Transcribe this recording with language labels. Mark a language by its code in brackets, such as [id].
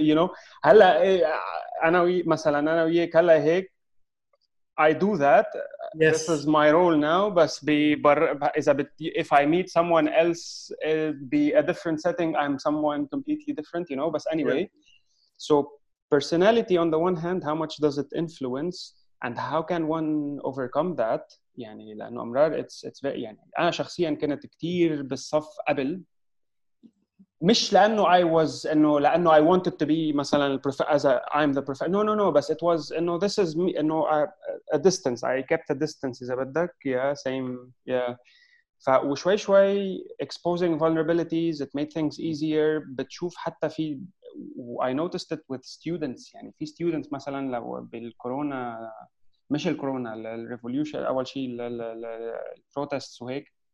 [en] You know [ar] هلا أنا مثلاً أنا وياك هلا هيك [en] I do that. Yes. This is my role now. But if I meet someone else, be a different setting. I'm someone completely different, you know. But anyway, so personality on the one hand, how much does it influence, and how can one overcome that? [ar] يعني لأنه أمرار [en] it's very [ar] يعني أنا شخصياً كنت كتير بالصف قبل. [en] مش لأنه I was إنه لأنه I wanted to be مثلا I'm the prof no but it was إنه this is me إنه a distance I kept a distance [ar] إذا بدك [en] yeah same yeah [ar] فشوي شوي [en] exposing vulnerabilities it made things easier [ar] بتشوف حتى في [en] I noticed it with students يعني في students [ar] مثلا لو بالكورونا مش الكورونا الريفوليوشن أول شيء [en] ال protests وهيك